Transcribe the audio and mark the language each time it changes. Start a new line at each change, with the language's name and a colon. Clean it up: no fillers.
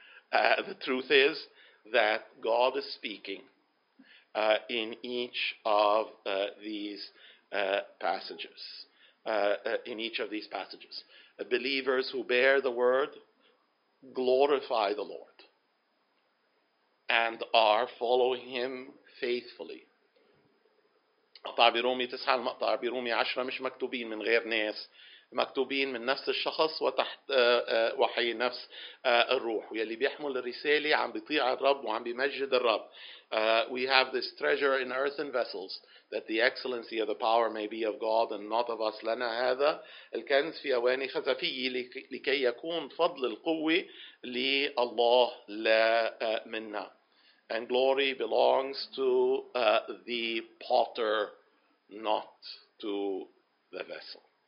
English: The truth is that God is speaking in each of these passages, in each of these passages. Believers who bear the word glorify the Lord and are following him faithfully.
Arabic: مقطع برومي 9 المقطع برومي 10 مش مكتوبين من غير ناس، مكتوبين من نفس الشخص وتحت وحي نفس الروح. ويلي بيحمل الرسالة عم بيطيع الرب وعم بيمجد الرب.
English: We have this treasure in earthen vessels, that the excellency of the power may be of God and not of us.
Arabic: لنا هذا الكنز في أواني خزفية لكي يكون فضل القوة لله لا منا.
English: And glory belongs to the potter, not to the vessel.